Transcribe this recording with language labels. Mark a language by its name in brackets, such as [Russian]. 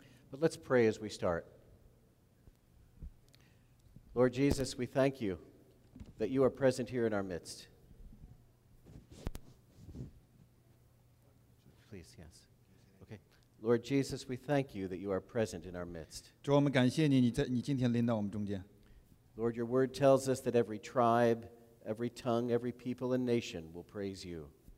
[English] But let's pray as we start. Lord Jesus, we thank you that you are present here in our midst. Please, yes. Okay. Lord Jesus, we thank you that you are present in our midst. [Chinese] 主，我们感谢你，你今天临到我们中间。 [English] Lord, your word tells us that every tribe, every tongue, every people and nation will praise you.